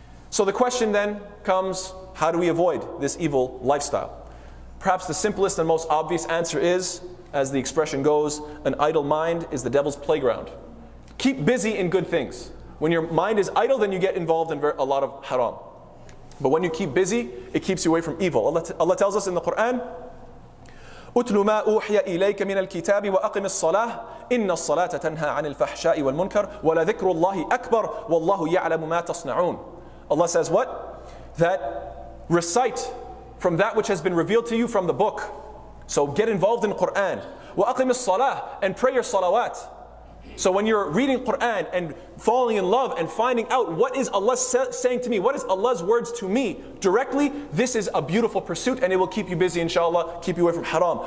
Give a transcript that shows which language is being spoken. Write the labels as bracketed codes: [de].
[en] So the question then comes, how do we avoid this evil lifestyle? Perhaps the simplest and most obvious answer is, as the expression goes, an idle mind is the devil's playground. Keep busy in good things. When your mind is idle, then you get involved in a lot of haram. But when you keep busy, it keeps you away from evil. [ar] Allah tells us in the Quran, اُتْلُ مَا أُوحِيَ إِلَيْكَ مِنَ الْكِتَابِ وَأَقِمِ الصَّلَاةِ إِنَّ الصَّلَاةَ تَنْهَى عَنِ الْفَحْشَاءِ وَالْمُنْكَرِ وَلَذِكْرُ اللَّهِ أَكْبَرُ وَاللَّهُ يَعْلَمُ مَا تَصْنَعُونَ. [en] Allah says what? That recite from that which has been revealed to you from the book. So get involved in Quran. [ar] وَأَقِمِ الصَّلَاةِ [en] and pray your salawat. So when you're reading Quran and falling in love and finding out what is Allah saying to me, what is Allah's words to me directly, this is a beautiful pursuit and it will keep you busy inshallah, keep you away from haram.